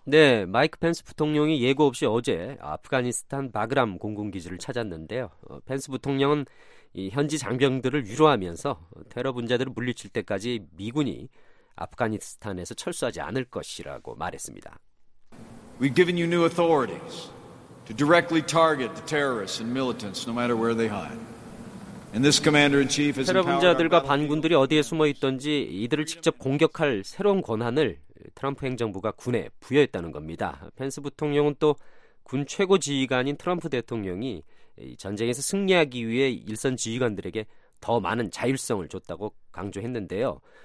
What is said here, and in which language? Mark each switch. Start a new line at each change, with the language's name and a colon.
Korean: 네, 마이크 펜스 부통령이 예고 없이 어제 아프가니스탄 바그람 공군기지를 찾았는데요. 펜스 부통령은 이 현지 장병들을 위로하면서 테러 분자들을 물리칠 때까지 미군이 아프가니스탄에서 철수하지 않을 것이라고 말했습니다.
English: We've given you new authorities to directly target the terrorists and militants no matter where they hide.
Korean: 테러 분자들과 반군들이 어디에 숨어있던지 이들을 직접 공격할 새로운 권한을 트럼프 행정부가 군에 부여했다는 겁니다. 펜스 부통령은 또 군 최고 지휘관인 트럼프 대통령이 전쟁에서 승리하기 위해 일선 지휘관들에게 더 많은 자율성을 줬다고 강조했는데요.